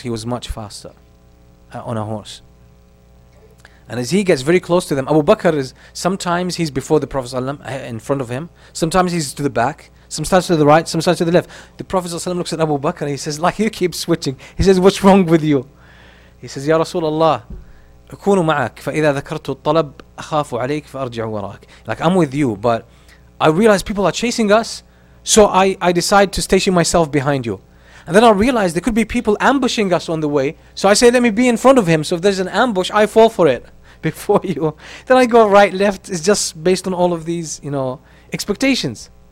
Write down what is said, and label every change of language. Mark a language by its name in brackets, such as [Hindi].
[English] He was much faster on a horse. And as he gets very close to them, Abu Bakr is, sometimes he's before the Prophet ﷺ, in front of him. Sometimes he's to the back. Sometimes to the right, sometimes to the left. The Prophet ﷺ looks at Abu Bakr and he says, like, you keep switching. He says, what's wrong with you? He says, [Arabic] Ya Rasulallah, أكون معك فإذا ذكرت الطلب أخاف عليك فأرجع وراك. [English] Like, I'm with you, but I realize people are chasing us, so I decide to station myself behind you. And then I realize there could be people ambushing us on the way, so I say, let me be in front of him, so if there's an ambush, I fall for it before you. Then I go right, left. It's just based on all of these, you know, expectations.